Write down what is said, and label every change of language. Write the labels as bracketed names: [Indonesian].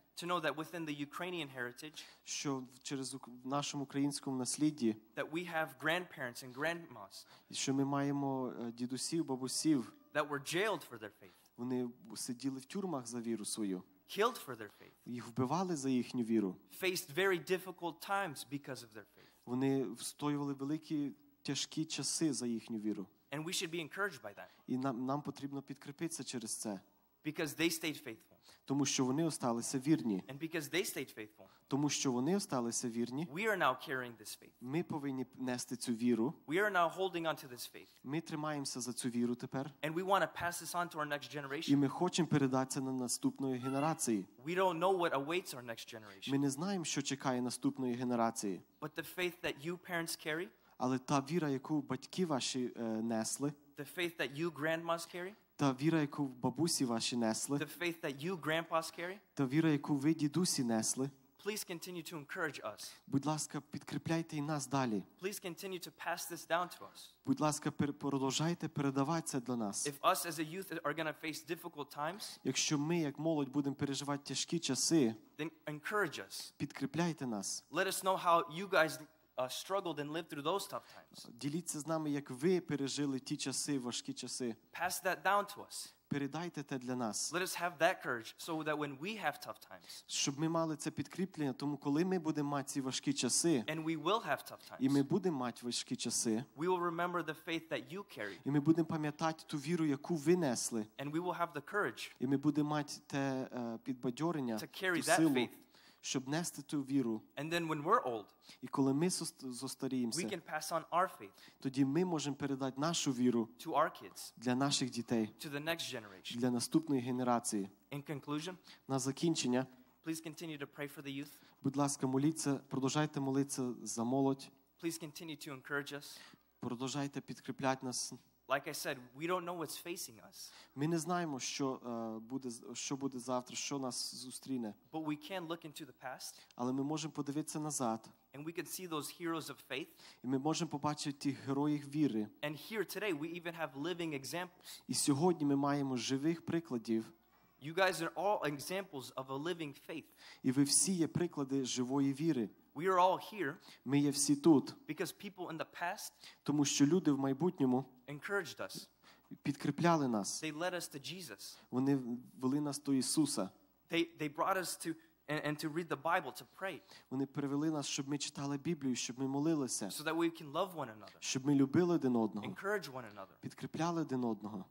[English] To know that within the Ukrainian heritage, [Ukrainian] що через в нашому українському наслідді, [English] that we have grandparents and grandmas, [Ukrainian] що ми маємо дідусів, бабусів, [English] that were jailed for their faith, [Ukrainian] вони сиділи в тюрмах за віру свою, [English] killed for their faith, [Ukrainian] їх вбивали за їхню віру, [English] faced very difficult times because of their faith, [Ukrainian] вони встоювали великі тяжкі часи за їхню віру, [English] and we should be encouraged by that, [Ukrainian] і нам потрібно підкріпитися через це. [English] Because they stayed faithful. [Ukrainian] Тому що вони осталися вірні. [English] And because they stayed faithful. [Ukrainian] Тому що вони осталися вірні. [English] We are now carrying this faith. [Ukrainian] Ми повинні нести цю віру. [English] We are now holding on to this faith. [Ukrainian] Ми тримаємося за цю віру тепер. [English] And we want to pass this on to our next generation. [Ukrainian] І ми хочемо передати це на наступної генерації. [English] We don't know what awaits our next generation. [Ukrainian] Ми не знаємо, що чекає наступної генерації. [English] But the faith that you parents carry. [Ukrainian] Але та віра, яку батьки ваші несли. [English] The faith that you grandmas carry. [Ukrainian] Та віра, яку бабусі ваші несли. [English] The faith that you grandpas carry. [Ukrainian] Та віра, яку ви дідусі несли. [English] Please continue to encourage us. [Ukrainian] Будь ласка, підкріпляйте і нас далі. [English] Please continue to pass this down to us. [Ukrainian] Будь ласка, продовжайте передавати це до нас. [English] If us as a youth are going to face difficult times, [Ukrainian] якщо ми як молодь будемо переживати тяжкі часи, [English] then encourage us. [Ukrainian] Підкріпляйте нас. [English] Let us know how you guys struggled and lived through those tough times. [Ukrainian] Діліться з нами, як ви пережили ті часи, важкі часи. [English] Pass that down to us. [Ukrainian] Передайте це для нас. [English] Let us have that courage so that when we have tough times. [Ukrainian] Щоб ми мали це підкріплення, тому коли ми будемо мати ці важкі часи. [English] And we will have tough times. [Ukrainian] І ми будемо мати важкі часи. [English] We will remember the faith that you carried. [Ukrainian] І ми будемо пам'ятати ту віру, яку ви несли. [English] And we will have the courage. [Ukrainian] І ми будемо мати те підбадьорення, [English] to carry that [Ukrainian] силу, [English] faith. [Ukrainian] Щоб нести ту віру. [English] And then when we're old, [Ukrainian] і коли ми зостаріємося, [English] we can pass on our faith, [Ukrainian] тоді ми можемо передати нашу віру, [English] to our kids, [Ukrainian] для наших дітей, [English] to the next generation, [Ukrainian] для наступної генерації. [English] In conclusion, [Ukrainian] на закінчення, [English] please continue to pray for the youth. [Ukrainian] Будь ласка, моліться, продовжайте молитися за молодь. [English] Please continue to encourage us. [Ukrainian] Продовжайте підкріплять нас. [English] Like I said, we don't know what's facing us. [Ukrainian] Ми не знаємо, що буде, що буде завтра, що нас зустріне. [English] But we can look into the past. [Ukrainian] Але ми можемо подивитися назад. [English] And we can see those heroes of faith. [Ukrainian] І ми можемо побачити тих героїв віри. [English] And here today we even have living examples. [Ukrainian] І сьогодні ми маємо живих прикладів. [English] You guys are all examples of a living faith. [Ukrainian] І ви всі є приклади живої віри. [English] We are all here. [Ukrainian] Ми є всі тут. [English] Because people in the past, [Ukrainian] тому що люди в майбутньому, [English] encouraged us. [Ukrainian] Підкріпляли нас. [English] They led us to Jesus. [Ukrainian] Вони вели нас до Ісуса. [English] They brought us to and to read the Bible, to pray. [Ukrainian] Вони привели нас, щоб ми читали Біблію, щоб ми молилися. [English] So that we can love one another. [Ukrainian] Щоб ми любили один одного. [English] Encourage one another. [Ukrainian] Підкріпляли один одного.